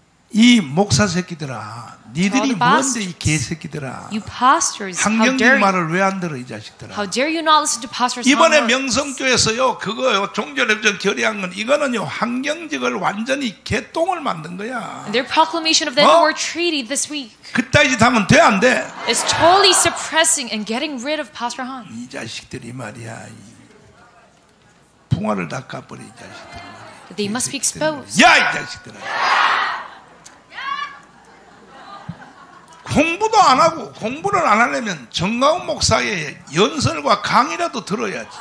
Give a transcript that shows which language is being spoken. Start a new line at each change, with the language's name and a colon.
Korean: 이 목사 새끼들아, 니들이 뭔데 이 개새끼들아.
English: You pastors,
Korean: 한경림 말을 왜 안 들어, 이 자식들아.
English: How dare you not listen to pastors?
Korean: 이번에 명성교에서요, 그거요, 종교협정 결의한 건 이거는요, 한경직을 완전히 개똥을 만든 거야.
English: Their proclamation of the war treaty this week.
Korean: 그따위 짓 하면 돼, 안 돼?
English: It's totally suppressing and getting rid of Pastor Han.
Korean: 이 자식들이 말이야, 이 풍화를 다 까버린 자식들.
English: They must be exposed.
Korean: 야, 이 자식들아. 공부도 안 하고, 공부를 안 하려면 정강욱 목사의 연설과 강의라도 들어야지.